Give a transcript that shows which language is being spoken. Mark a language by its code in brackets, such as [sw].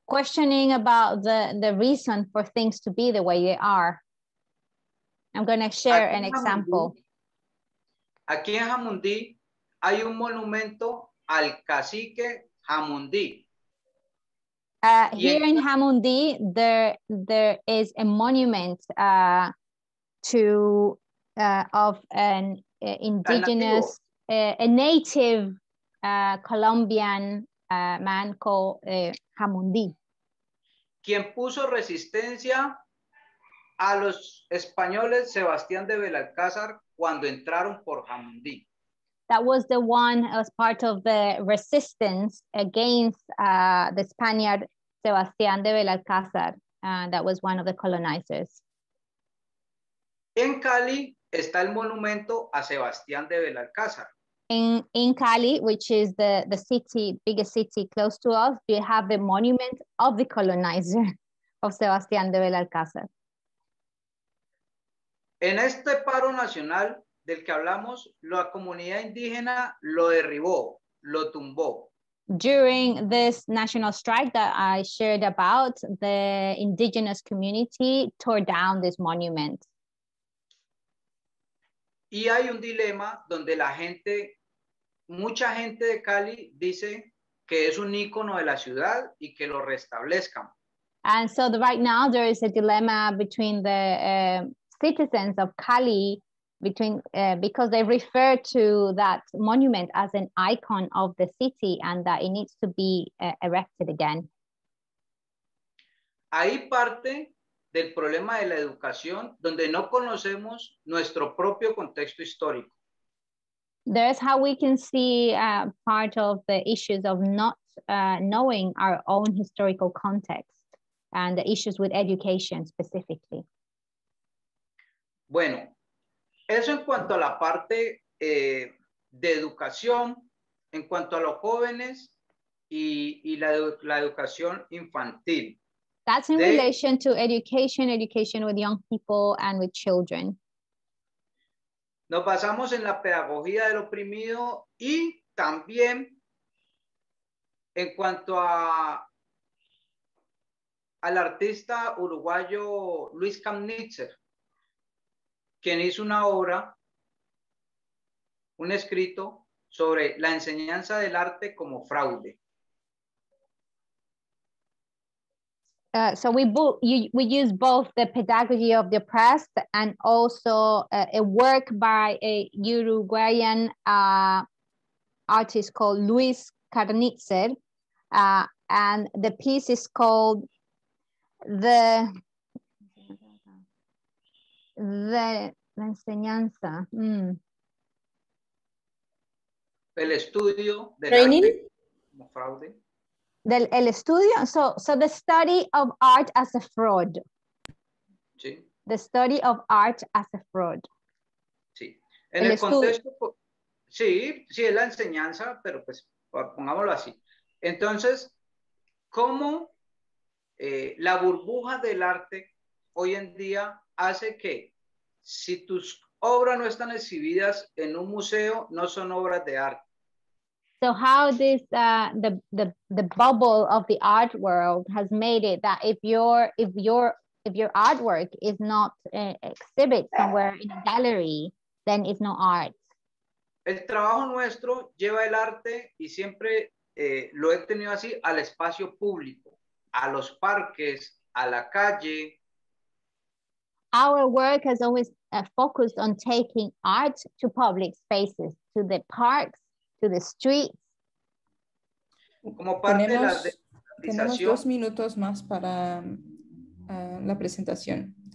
[en] Questioning about the reason for things to be the way they are. I'm going to share an example. [es] Aquí en Jamundí hay un monumento al cacique Jamundí. [en] Here in Jamundí, there is a monument of an indigenous, a native Colombian man called Jamundí. [es] Quien puso resistencia a los españoles, Sebastián de Belalcázar, cuando entraron por Jamundí. [en] that was the one as part of the resistance against the Spaniard Sebastián de Belalcázar, that was one of the colonizers. [es] En Cali está el monumento a Sebastián de Belalcázar. [en] In Cali, which is the city, biggest city close to us, we have the monument of the colonizer of Sebastián de Belalcázar. [es] En este paro nacional del que hablamos, la comunidad indígena lo derribó, lo tumbó. [en] During this national strike that I shared about, the indigenous community tore down this monument. [es] Y hay un dilema donde la gente, mucha gente de Cali dice que es un ícono de la ciudad y que lo restablezcan. [en] And so right now there is a dilemma between the citizens of Cali, because they refer to that monument as an icon of the city and that it needs to be erected again. [es] Ahí parte del problema de la educación, donde no conocemos nuestro propio contexto histórico. [en] There's how we can see part of the issues of not knowing our own historical context and the issues with education specifically. [es] Bueno, eso en cuanto a la parte de educación, en cuanto a los jóvenes y la educación infantil. [en] That's in relation to education with young people and with children. [es] Nos basamos en la pedagogía del oprimido y también en cuanto a al artista uruguayo Luis Kamnitzer, quien hizo una obra, un escrito sobre la enseñanza del arte como fraude. [en] So we use both the pedagogy of the oppressed and also a work by a Uruguayan artist called Luis Kamnitzer, and the piece is called the enseñanza. [es] El estudio del training como fraude. El estudio, [en] so the study of art as a fraud. [es] Sí. [en] The study of art as a fraud. [es] Sí. En el contexto, sí, es la enseñanza, pero pues pongámoslo así. Entonces, ¿cómo la burbuja del arte hoy en día hace que si tus obras no están exhibidas en un museo, no son obras de arte? [en] So how this the bubble of the art world has made it that if your artwork is not exhibit somewhere in a gallery, then it's not art. [es] El trabajo nuestro lleva el arte y siempre lo he tenido así al espacio público, a los parques, a la calle. [en] Our work has always focused on taking art to public spaces, to the parks, to the streets. [es] Como parte tenemos 2 minutos más para la presentación.